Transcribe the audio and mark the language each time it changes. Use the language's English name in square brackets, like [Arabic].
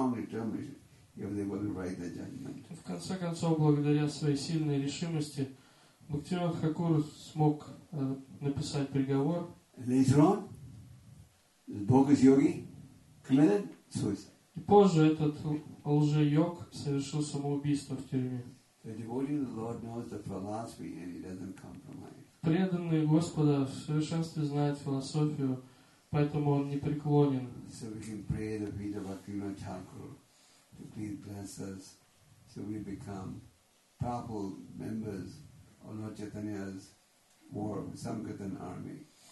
[Russian] В конце концов, благодаря своей сильной решимости, Бхактивинода Тхакур смог написать приговор. [English] Later on, the bogus yogi committed suicide. [Russian] И позже этот лже-йог совершил самоубийство в тюрьме. [English] The devotee of the Lord knows the philosophy and he doesn't compromise. [Russian] Преданный Господа в совершенстве знает философию, поэтому он непреклонен. [English] So we can pray the Vida Bhaktivinoda Thakur to please bless us so we become powerful members of Lord Chaitanya's war, Sankirtan army.